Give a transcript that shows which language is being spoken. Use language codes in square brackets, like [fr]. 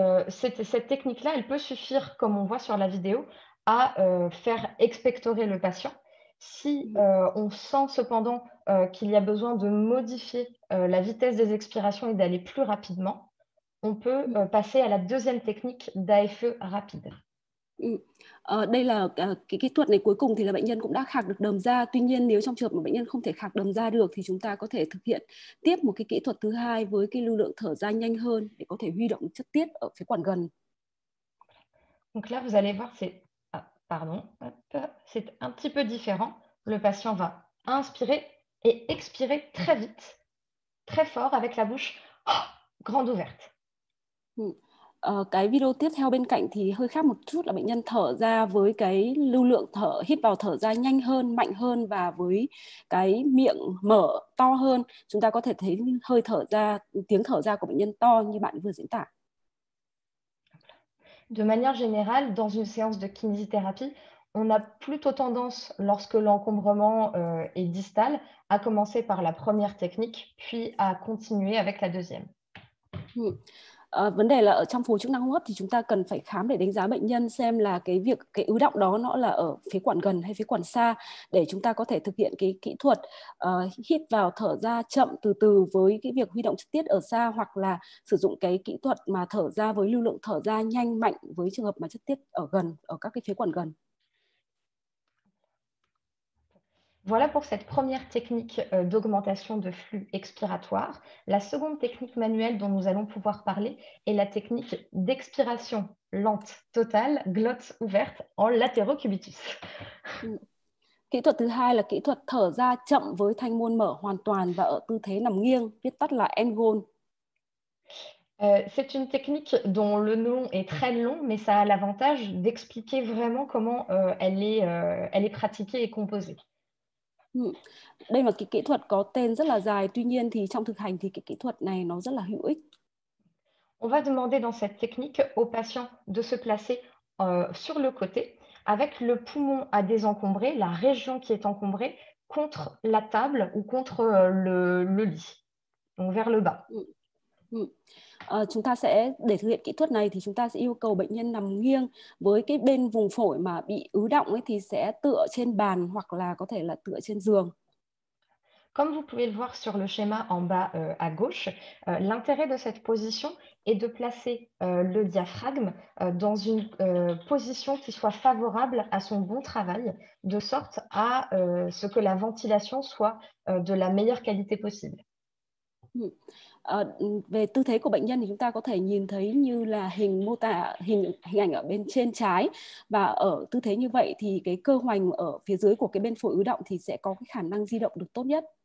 [fr] Cette technique-là, elle peut suffire, comme on voit sur la vidéo, à faire expectorer le patient. Si on sent cependant qu'il y a besoin de modifier la vitesse des expirations et d'aller plus rapidement, on peut passer à la deuxième technique d'AFE rapide. [vi] Đây là cái kỹ thuật này cuối cùng thì là bệnh nhân cũng đã khạc được đờm ra. Tuy nhiên nếu trong trường hợp mà bệnh nhân không thể khạc đờm ra được thì chúng ta có thể thực hiện tiếp một cái kỹ thuật thứ hai với cái lưu lượng thở ra nhanh hơn để có thể huy động chất tiết ở phế quản gần. [fr] Donc là, vous allez voir, pardon, c'est un petit peu différent. Le patient va inspirer et expirer très vite, très fort, avec la bouche grande ouverte. [vi] Cái video tiếp theo bên cạnh thì hơi khác một chút là bệnh nhân thở ra với cái lưu lượng thở hít vào thở ra nhanh hơn, mạnh hơn và với cái miệng mở to hơn. Chúng ta có thể thấy hơi thở ra, tiếng thở ra của bệnh nhân to như bạn vừa diễn tả. [fr] De manière générale, dans une séance de kinésithérapie, on a plutôt tendance, lorsque l'encombrement est distal, à commencer par la première technique, puis à continuer avec la deuxième. [vi] Vấn đề là ở trong phổi chức năng hô hấp thì chúng ta cần phải khám để đánh giá bệnh nhân xem là cái việc cái ứ đọng đó nó là ở phế quản gần hay phế quản xa để chúng ta có thể thực hiện cái kỹ thuật hít vào thở ra chậm từ từ với cái việc huy động chất tiết ở xa hoặc là sử dụng cái kỹ thuật mà thở ra với lưu lượng thở ra nhanh mạnh với trường hợp mà chất tiết ở gần ở các cái phế quản gần. [fr] Voilà pour cette première technique d'augmentation de flux expiratoire. La seconde technique manuelle dont nous allons pouvoir parler est la technique d'expiration lente totale, glotte ouverte en latérocubitus. [vi] Kỹ thuật thứ hai là kỹ thuật thở ra chậm với thanh môn mở hoàn toàn và ở tư thế nằm nghiêng, viết tắt là N-gôn. [fr] C'est une technique dont le nom est très long, mais ça a l'avantage d'expliquer vraiment comment elle est pratiquée et composée. [vi] Đây là cái kỹ thuật có tên rất là dài, tuy nhiên thì trong thực hành thì cái kỹ thuật này nó rất là hữu ích. [fr] On va demander dans cette technique au patient de se placer sur le côté avec le poumon à désencombrer, la région qui est encombrée, contre la table ou contre le lit, donc vers le bas. [vi] Chúng ta sẽ để thực hiện kỹ thuật này thì chúng ta sẽ yêu cầu bệnh nhân nằm nghiêng với cái bên vùng phổi mà bị ứ đọng ấy thì sẽ tựa trên bàn hoặc là có thể là tựa trên giường. [fr] Comme vous pouvez le voir sur le schéma en bas à gauche, l'intérêt de cette position est de placer le diaphragme dans une position qui soit favorable à son bon travail, de sorte à ce que la ventilation soit de la meilleure qualité possible. [vi] Về tư thế của bệnh nhân thì chúng ta có thể nhìn thấy như là hình mô tả hình ảnh ở bên trên trái và ở tư thế như vậy thì cái cơ hoành ở phía dưới của cái bên phổi ứ động thì sẽ có cái khả năng di động được tốt nhất.